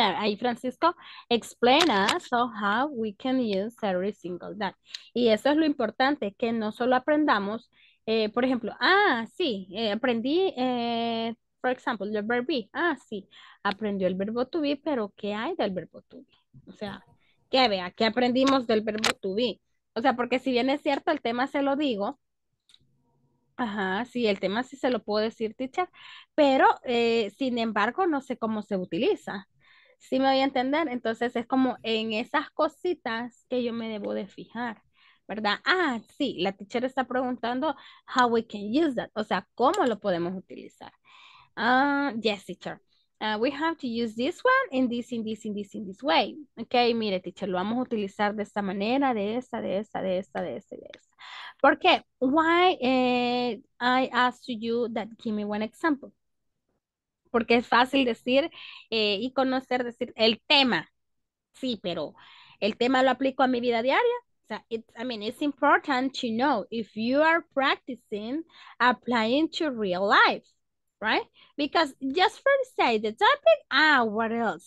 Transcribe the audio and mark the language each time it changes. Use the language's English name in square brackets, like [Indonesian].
[English] Ahí Francisco, explain us how we can use every single that. [Spanish] Y eso es lo importante, que no solo aprendamos, por ejemplo, ah, sí, aprendí, [English] for example, [Spanish] el verbo be. Ah, sí, aprendió el verbo to be, pero ¿qué hay del verbo to be? O sea, que vea, ¿qué aprendimos del verbo to be? O sea, porque si bien es cierto, el tema se lo digo. Ajá, sí, el tema sí se lo puedo decir, teacher, pero sin embargo no sé cómo se utiliza. ¿Sí me voy a entender? Entonces es como en esas cositas que yo me debo de fijar, ¿verdad? Ah, sí, la teacher está preguntando [English] how we can use that, [Spanish] o sea, ¿cómo lo podemos utilizar? [English] Yes, teacher, we have to use this one in this, in this, in this, in this way. [Spanish] Ok, mire, teacher, lo vamos a utilizar de esta manera, de esta, de esta, de esta, de esta, de esta. ¿Por qué? [English] Why I asked you that, give me one example. [Spanish] Porque es fácil decir y conocer, decir el tema. Sí, pero el tema lo aplico a mi vida diaria. [English] O sea, it's important to know if you are practicing applying to real life, right? Because just for the sake of the topic, ah, what else?